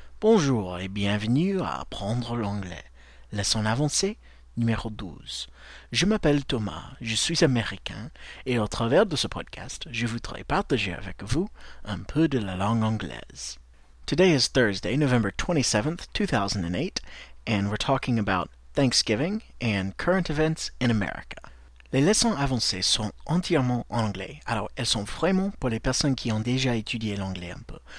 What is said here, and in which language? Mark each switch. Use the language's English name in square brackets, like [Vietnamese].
[French] Bonjour et bienvenue à Apprendre l'anglais, leçon avancée numéro 12. Je m'appelle Thomas, je suis américain et au travers de ce podcast, je voudrais partager avec vous un peu de la langue anglaise. [English] Today is Thursday, November 27th, 2008, and we're talking about Thanksgiving and current events in America. [French] Les leçons avancées sont entièrement en anglais, alors elles sont vraiment pour les personnes qui ont déjà étudié l'anglais un peu.